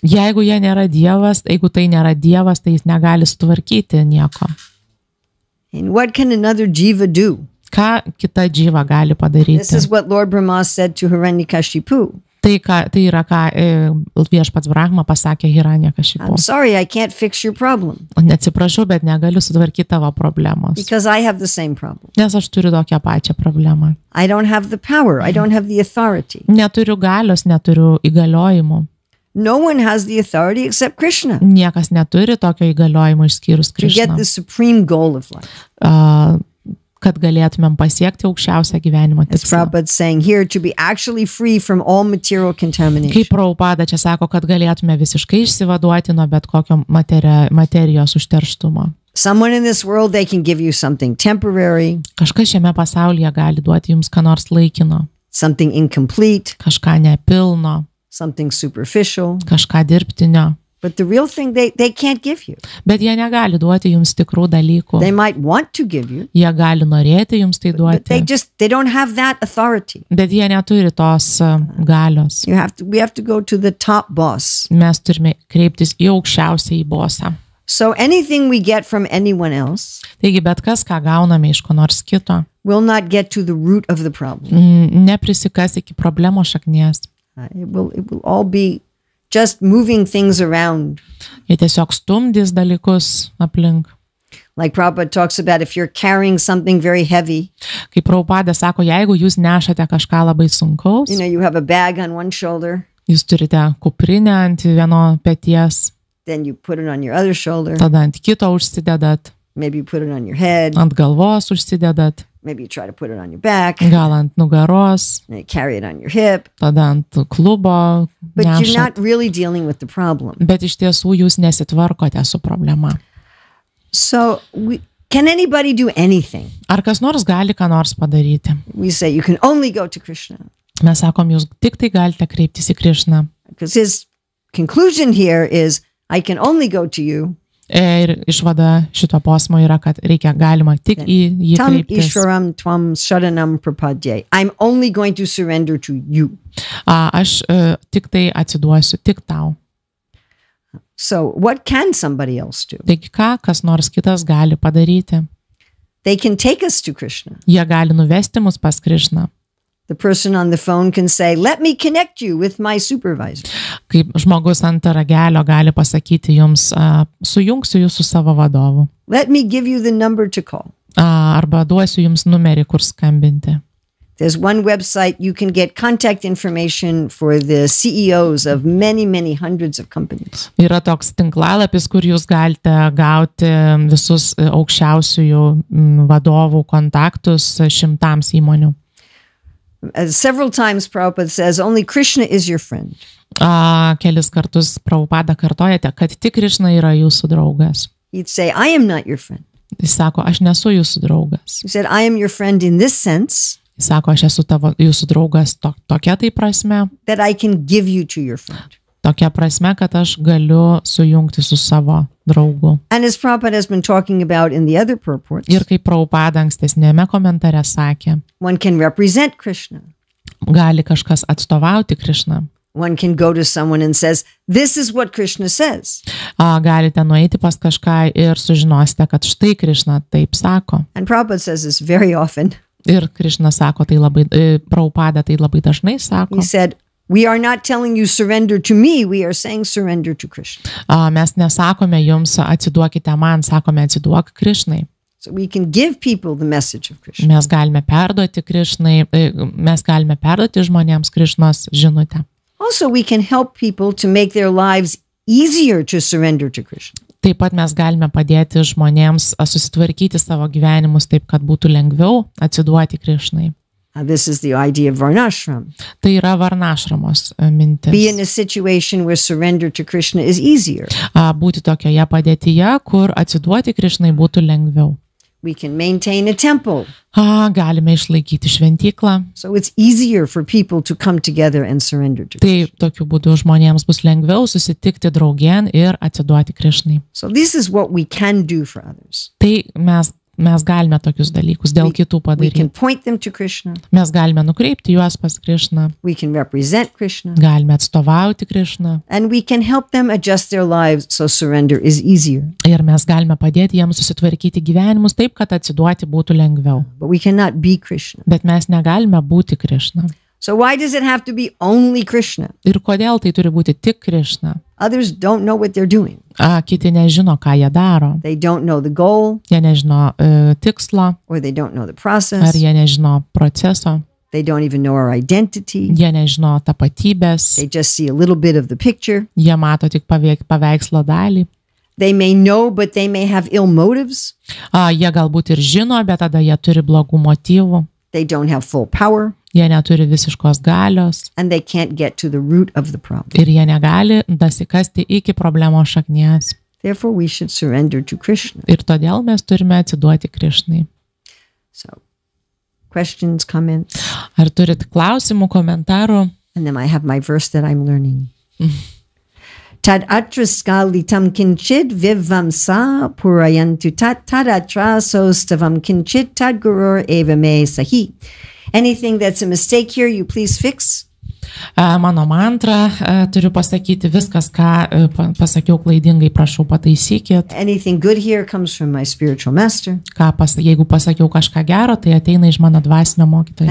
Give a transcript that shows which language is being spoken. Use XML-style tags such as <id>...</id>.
<lt>Jeigu jie nėra Dievas, jeigu tai nėra Dievas, tai jis negali sutvarkyti nieko.</lt> <en>And what can another jiva do?</en> <lt>Ką kita jiva gali padaryti?</lt> <en>This is what Lord Brahma said to Hiranyakashipu.</en> <lt>Tai yra, ką viešpats Brahma pasakė Hiranyakashipu.</lt> <en>I'm sorry, I can't fix your problem.</en> <lt>Atsiprašau, bet negaliu sutvarkyti tavo problemos.</lt> <en>Because I have the same problem.</en> <lt>Nes aš turiu tokią pačią problemą.</lt> <en>I don't have the power, I don't have the authority.</en> <lt>Neturiu galios, neturiu įgaliojimų.</lt> <en>No one has the authority except Krishna.</en> <lt>Niekas neturi tokio įgaliojimo išskyrus Krishna.</lt> <en>To get the supreme goal of life.</en> <lt>Kad galėtumėm pasiekti aukščiausią gyvenimo tikslą.</lt> <en>As Prabhupada saying here, to be actually free from all material contamination.</en> <lt>Kaip Prabhupada čia sako, kad galėtume visiškai išsivaduoti nuo bet kokio materijos užterštumo.</lt> <en>Someone in this world, they can give you something temporary.</en> <lt>Kažkas šiame pasaulyje gali duoti jums ką nors laikino.</lt> <en>Something incomplete.</en> <lt>Kažką nepilno.</lt> <en>Something superficial.</en> <lt>Kažką dirbtinio.</lt> <en>But the real thing they can't give you.</en> <lt>Bet jie negali duoti jums tikrų dalykų.</lt> <en>They might want to give you.</en> <lt>Jie gali norėti jums tai duoti.</lt> <en>But they don't have that authority.</en> <lt>Bet jie neturi tos galios.</lt> <en>We have to go to the top boss.</en> <lt>Mes turime kreiptis į aukščiausiąjį bosą.</lt> <en>So anything we get from anyone else.</en> <lt>Taigi bet kas, ką gauname iš ko nors kito.</lt> <en>Will not get to the root of the problem.</en> <lt>Neprisikas iki problemos šaknies.</lt> <en>It will all be just moving things around.</en> <lt>Jie tiesiog stumdys dalykus aplink.</lt> <en>Like Prabhupada talks about if you're carrying something very heavy.</en> <lt>Kaip Prabhupada sako, jeigu jūs nešate kažką labai sunkaus.</lt> <en>You know, you have a bag on one shoulder.</en> <lt>Jūs turite kuprinę ant vieno peties.</lt> <en>Then you put it on your other shoulder.</en> <lt>Tada ant kito užsidedat.</lt> <en>Maybe you put it on your head.</en> <lt>Ant galvos užsidedat.</lt> <en>Maybe you try to put it on your back.</en> <lt>Gal ant nugaros.</lt> <en>And you carry it on your hip.</en> <lt>Tada ant klubo.</lt> <en>But</en> <lt>nešat.</lt> <en>You're not really dealing with the problem.</en> <lt>Bet iš tiesų jūs nesitvarkote su problema.</lt> <en>So, can anybody do anything?</en> <lt>Ar kas nors gali ką nors padaryti?</lt> <en>We say you can only go to Krishna.</en> <lt>Mes sakom, jūs tik tai galite kreiptis į Krishna.</lt> <en>Because his conclusion here is, I can only go to you.</en> <lt>Ir išvada šito posmo yra, kad reikia galima tik į jį kreiptis.</lt> <sa>Tam ishvaram tvam sharanam prapadjai.</sa> <en>I'm only going to surrender to you.</en> <lt>Aš tik tai atsiduosiu tik tau.</lt> <en>So what can somebody else do?</en> <lt>Taigi ką kas nors kitas gali padaryti?</lt> <en>They can take us to Krishna.</en> <lt>Jie gali nuvesti mus pas Krishna.</lt> <en>The person on the phone can say, let me connect you with my supervisor.</en> <lt>Kaip žmogus ant ragelio gali pasakyti jums, sujungsiu jūs su savo vadovu.</lt> <en>Let me give you the number to call.</en> <lt>Arba duosiu jums numerį, kur skambinti.</lt> <en>There's one website you can get contact information for the CEOs of many, many hundreds of companies.</en> <lt>Yra toks tinklalapis, kur jūs galite gauti visus aukščiausiųjų vadovų kontaktus šimtams įmonių.</lt> <en>Several times Prabhupada says, only Krishna is your friend.</en> <lt>Kelis kartus Prabhupada kartojate, kad tik Krishna yra jūsų draugas.</lt> <en>He'd say, I am not your friend.</en> <lt>Jis sako, aš nesu jūsų draugas.</lt> <en>He said, I am your friend in this sense.</en> <lt>Sako, aš esu tavo, jūsų draugas tokia tai prasme.</lt> <en>That I can give you to your friend.</en> <lt>Tokia prasme, kad aš galiu sujungti su savo draugu.</lt> <en>And as Prabhupada has been talking about in the other purports.</en> <lt>Ir kaip Prabhupada ankstesnėme komentare sakė.</lt> <en>One can represent Krishna.</en> <lt>Gali kažkas atstovauti Krishna.</lt> <en>One can go to someone and says, this is what Krishna says.</en> <lt>Galite nueiti pas kažką ir sužinosite, kad štai Krishna taip sako.</lt> <en>And Prabhupada says this very often.</en> <lt>Ir Krishna sako tai labai, Prabhupada tai labai dažnai sako.</lt> <en>He said, we are not telling you surrender to me, we are saying surrender to Krishna.</en> <lt>Mes nesakome jums atsiduokite man, sakome atsiduok Krishnai.</lt> <en>So we can give people the message of Krishna.</en> <lt>Mes galime perduoti Krishnai, mes galime perduoti žmonėms Krishnos žinutę.</lt> <en>Also we can help people to make their lives easier to surrender to Krishna.</en> <lt>Taip pat mes galime padėti žmonėms susitvarkyti savo gyvenimus taip, kad būtų lengviau atsiduoti Krishnai.</lt> <en>This is the idea of varnashram.</en> <lt>Tai yra varnashramos mintis.</lt> <en>Be in a situation where surrender to Krishna is easier.</en> <lt>Būti tokioje padėtyje, kur atsiduoti Krishnai būtų lengviau.</lt> <en>We can maintain a temple.</en> <lt>Galime išlaikyti šventyklą.</lt> <en>So it's easier for people to come together and surrender to Krishna.</en> <lt>Tai tokiu būdu žmonėms bus lengviau susitikti draugien ir atsiduoti Krishnai.</lt> <en>So this is what we can do for others.</en> <lt>Tai mes galime tokius dalykus dėl kitų padaryti.</lt> <en>We can point them to Krishna.</en> <lt>Mes galime nukreipti juos pas Krishna.</lt> <en>We can represent Krishna.</en> <lt>Galime atstovauti Krishna.</lt> <en>And we can help them adjust their lives so surrender is easier.</en> <lt>Ir mes galime padėti jiems susitvarkyti gyvenimus taip, kad atsiduoti būtų lengviau.</lt> <en>But we cannot be Krishna.</en> <lt>Bet mes negalime būti Krishna.</lt> <en>So why does it have to be only Krishna?</en> <lt>Ir kodėl tai turi būti tik Krishna?</lt> <en>Others don't know what they're doing.</en> <lt>Kiti nežino, ką jie daro.</lt> <en>They don't know the goal.</en> <lt>Jie nežino tikslo.</lt> <en>Or they don't know the process.</en> <lt>Ar jie nežino proceso.</lt> <en>They don't even know our identity.</en> <lt>Jie nežino tapatybės.</lt> <en>They just see a little bit of the picture.</en> <lt>Jie mato tik paveikslo dalį.</lt> <en>They may know, but they may have ill motives.</en> <lt>Jie galbūt ir žino, bet tada jie turi blogų motyvų.</lt> <en>They don't have full power.</en> <lt>Jie neturi visiškos galios.</lt> <en>And they can't get to the root of the problem.</en> <lt>Ir jie negali dasikasti iki problemos šaknies.</lt> <en>Therefore we should surrender to Krishna.</en> <lt>Ir todėl mes turime atsiduoti Krishnai.</lt> <en>So, questions, comments?</en> <lt>Ar turit klausimų, komentarų?</lt> <en>And then I have my verse that I'm learning.</en> <sa>Tad atra skalitam kinchit vivam sa purayantu tat tad atra sostavam kinchit tad gurur eva me sahi.</sa> <en>Anything that's a mistake here, you please fix.</en> <lt>Mano mantra, turiu pasakyti viskas, ką pasakiau klaidingai, prašau pataisykit.</lt> <en>Anything good here comes from my spiritual master.</en> <lt>Jeigu pasakiau kažką gero, tai ateina iš mano dvasinio mokytojo.</lt>